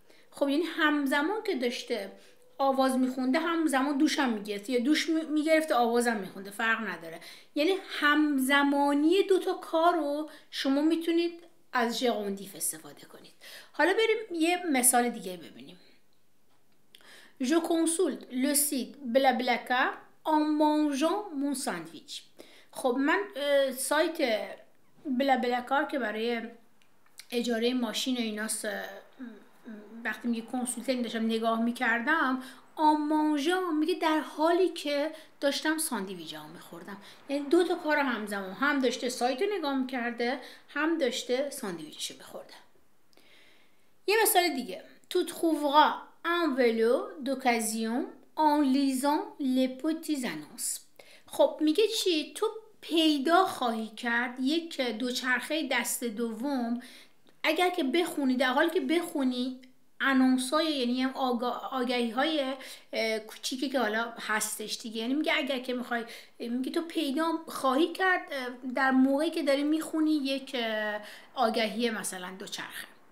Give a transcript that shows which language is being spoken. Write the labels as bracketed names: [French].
[Persian] خب یعنی همزمان که داشته آواز میخونده همزمان دوشم میگرفت، یا دوش میگرفت آوازم میخونده، فرق نداره. یعنی همزمانی دوتا کارو شما میتونید از ژئوندیو استفاده کنید. حالا بریم یه مثال دیگه ببینیم. [French] Je consulte le site BlaBlaCar en mangeant mon sandwich. [Persian] خب من سایت BlaBlaCar که برای اجاره ماشین و ایناس وقتی میگه کنسولته داشتم نگاه میکردم، [French] en mangeant [Persian] میگه در حالی که داشتم ساندویچ میخوردم. یعنی دو تا کار همزمان، هم داشته سایت رو نگاه میکرده هم داشته ساندویچ رو میخوردم. یه مثال دیگه، [French] tu trouveras un vélo d'occasion en lisant les petites annonces. [Persian] خب میگه چی؟ تو پیدا خواهی کرد یک دوچرخه دست دوم اگر که بخونی، در حالی که بخونی انونس های، یعنی آگهی های کوچیکی که حالا هستش دیگه. یعنی میگه اگر که میخوای، میگه تو پیدا خواهی کرد در موقعی که داری میخونی یک آگهی مثلا دوچرخه.